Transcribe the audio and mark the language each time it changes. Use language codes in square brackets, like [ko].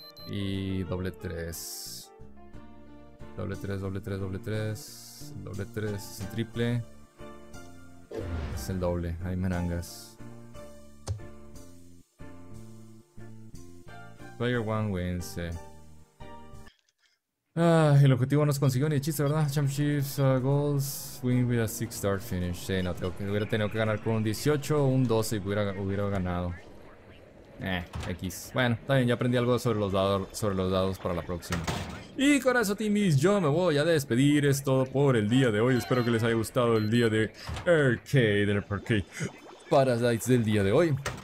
[es] Y doble 3. Doble 3, doble 3, doble 3. Doble 3. Es el triple. Es el doble. Hay merangas. [en] Player 1 wins. [es] El objetivo no se consiguió ni de chiste, ¿verdad? [en] Championships, goals, win with a 6 star finish. [es] Sí, no, tengo que, hubiera tenido que ganar con un 18 o un 12 y hubiera ganado. X. Bueno, está bien, ya aprendí algo sobre los dados para la próxima. Y con eso, Timmy's, yo me voy a despedir. Es todo por el día de hoy. Espero que les haya gustado el día de Arcade del Parque Paradise del día de hoy.